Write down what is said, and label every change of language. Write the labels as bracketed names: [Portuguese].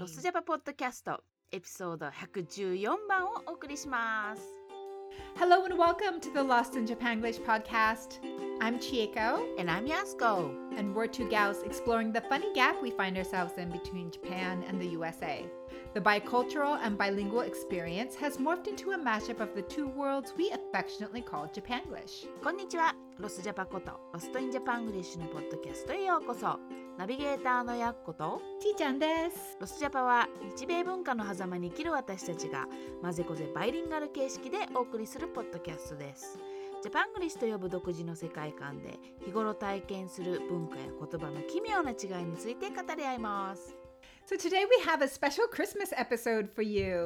[Japanese] ロスジャパポッドキャスト、エピソード114番をお送りします。 [English] Hello and welcome to the Lost in Japan English podcast. I'm Chieko. And I'm Yasuko. And we're two gals exploring the funny gap we find ourselves in between Japan and the USA. The bicultural and bilingual experience has morphed into a mashup of the two worlds we affectionately call Japanglish. [Japanese] こんにちは。ロスジャパこと、ロストインジャパングリッシュのポッドキャストへようこそ。ナビゲーターのやっこと、ちーちゃんです。ロスジャパは、日米文化の狭間に生きる私たちが、まぜこぜバイリンガル形式でお送りするポッドキャストです。ジャパングリッシュと呼ぶ独自の世界観で、日頃体験する文化や言葉の奇妙な違いについて語り合います。 [English] So today we have a special Christmas episode for you.